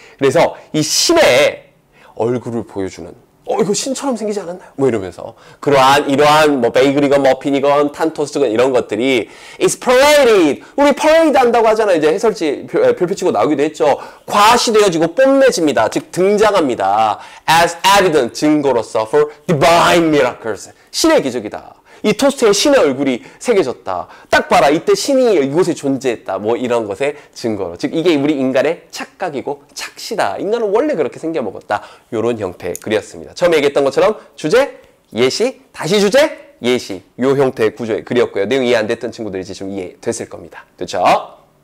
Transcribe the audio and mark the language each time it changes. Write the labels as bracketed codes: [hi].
[ko] 그래서 이 신의 얼굴을 보여주는 이거 신처럼 생기지 않았나요? 뭐 이러면서 이러한 뭐 베이글이건 머핀이건 탄토스트건 이런 것들이 [en] It's paraded! [ko] 우리 parade 한다고 하잖아요. 이제 해설지 별표치고 나오기도 했죠. 과시되어지고 뽐내집니다. 즉 등장합니다. [en] As evident [ko] 증거로서 [en] for divine miracles [ko] 신의 기적이다. 이 토스트에 신의 얼굴이 새겨졌다. 딱 봐라 이때 신이 이곳에 존재했다. 뭐 이런 것의 증거로. 즉 이게 우리 인간의 착각이고 착시다. 인간은 원래 그렇게 생겨먹었다. 요런 형태의 글이었습니다. 처음에 얘기했던 것처럼 주제, 예시, 다시 주제, 예시. 요 형태의 구조의 글이었고요. 내용 이해 안 됐던 친구들이 지금 이해 됐을 겁니다. 됐죠?